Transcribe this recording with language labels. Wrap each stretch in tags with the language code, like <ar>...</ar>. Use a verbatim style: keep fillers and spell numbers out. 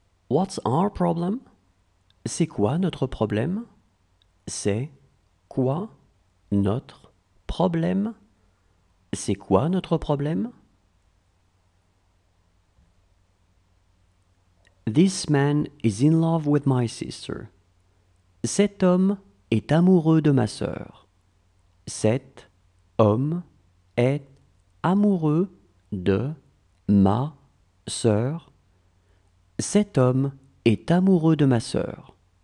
<en>What's our problem?</en> <fr>C'est quoi notre problème? C'est quoi notre problème? C'est quoi notre problème?</fr> <en>This man is in love with my sister.</en> <fr>Cet homme est amoureux de ma sœur. Cet homme est amoureux de ma sœur. Cet homme est amoureux de ma sœur.</fr>